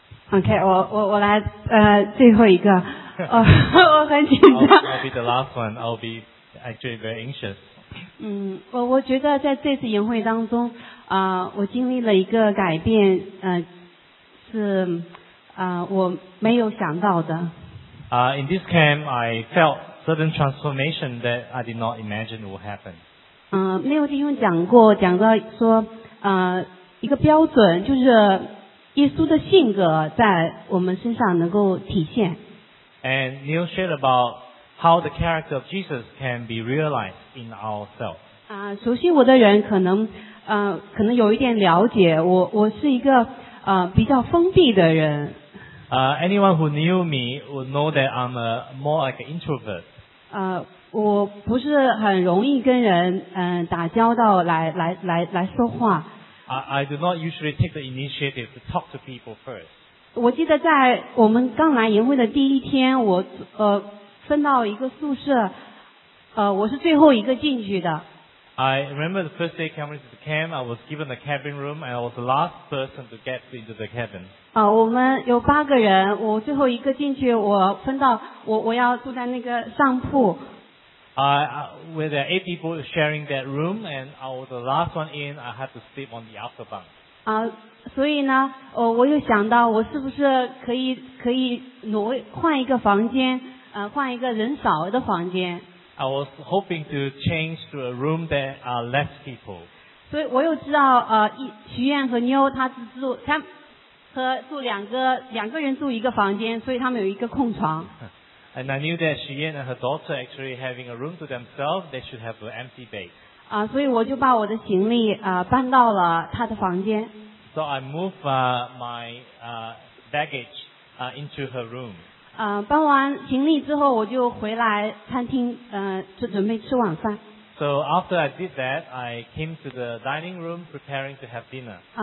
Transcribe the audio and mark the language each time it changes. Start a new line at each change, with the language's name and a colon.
Chinese: OK, 我来最后一个我很紧张。
English: I'll be the last one. I'll be actually very anxious.
Chinese: 我觉得在这次研会当中我经历了一个改变我没有想到的。
English: In this camp, I felt certain transformation that I did not imagine would happen.
Chinese: 没有弟兄讲到说一个标准就是耶稣的性格在我们身上能够体现。
English: And Neil shared about how the character of Jesus can be realized in ourselves.
Chinese: 熟悉我的人可能有一点了解我是一个比较封闭的人。
English: Anyone who knew me would know that I'm a more like an introvert.
Chinese: 我不是很容易跟人打交道来说话。
English: I do not usually take the initiative to talk to people first.
Chinese: 我记得在我们刚来营会的第一天，我分到一个宿舍，我是最后一个进去的。
English: I remember the first day coming to the camp, I was given the cabin room, and I was the last person to get into the cabin.
Chinese: 我们有八个人，我最后一个进去，我分到我要住在那个上铺。
English: Where there are eight people sharing that room, and I was the last one in, I had to sleep on the upper bunk.
Chinese: 所以呢，我又想到我是不是可以挪换一个房间，换一个人少的房间。
English: I was hoping to change to a room that are less people.
Chinese: 所以我又知道，徐燕和妞她是住她和住两个人住一个房间，所以他们有一个空床。
English: And I knew that Xu Yan and her daughter actually having a room to themselves, they should have an empty bed.
Chinese: 啊，所以我就把我的行李搬到了她的房间。
English: So I moved my baggage into her room.
Chinese: 搬完行李之后，我就回来餐厅，就准备吃晚饭。
English: So after I did that, I came to the dining room preparing to have dinner.